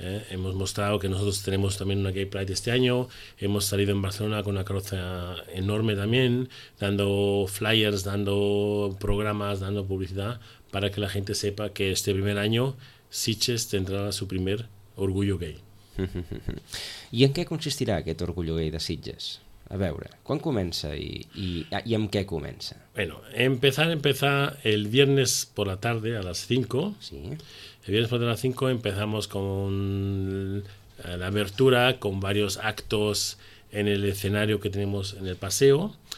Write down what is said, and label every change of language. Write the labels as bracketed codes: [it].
[es] Hemos mostrado que nosotros tenemos también una gay pride este año. Hemos salido en Barcelona con una carroza enorme también, dando flyers, dando programas, dando publicidad para que la gente sepa que este primer año Sitges tendrá su primer orgullo gay. ¿Y en qué consistirá aquest orgullo gay de Sitges? [ca] A veure, ¿quan comença i amb què comença? [es] Bueno, empezar el viernes por la tarde a las 5. Sí. El viernes por las 5 empezamos con la abertura, con varios actos en el escenario que tenemos en el paseo.